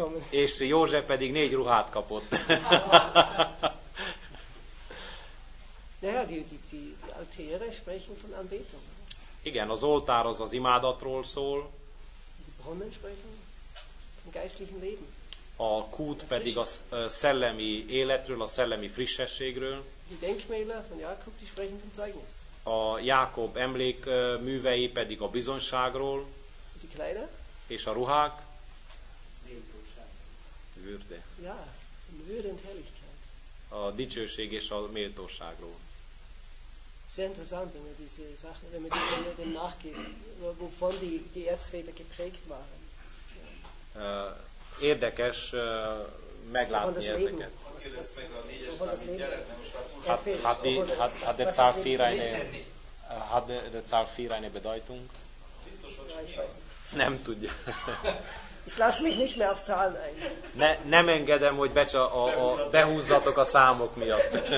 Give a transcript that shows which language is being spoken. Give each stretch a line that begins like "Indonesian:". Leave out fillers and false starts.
Hungarian: És József pedig négy ruhát kapott.
German: Die altäre sprechen von Anbetung.
Hungarian: Igen, az oltár az imádatról szól.
German: Die Brunnen sprechen vom geistlichen Leben.
Hungarian: A kút pedig a szellemi életről, a szellemi frissességről.
German: Die Denkmäler von Jakob, die sprechen vom Zeugnis.
Hungarian: A Jákob emlékművei pedig a bizonyságról.
German: Die Kleider.
Hungarian: És a ruhák.
German: Würde. Ja, Würde und Herrlichkeit.
Hungarian: A dicsőség és a méltóságról.
German: Sehr interessant, wenn man diese Sachen, wenn man die dem nachgeht, wovon die Erzväter geprägt waren.
Hungarian: Érdekes meglátni ezeket.
German: Wovon das Leben? Hat der Zahl 4 eine hat der Zahl 4 eine Bedeutung?
Hungarian: Nem tudja.
German: Ich lass mich nicht mehr auf Zahlen ein.
Hungarian: Nem engedem, hogy behúzzatok a számok miatt.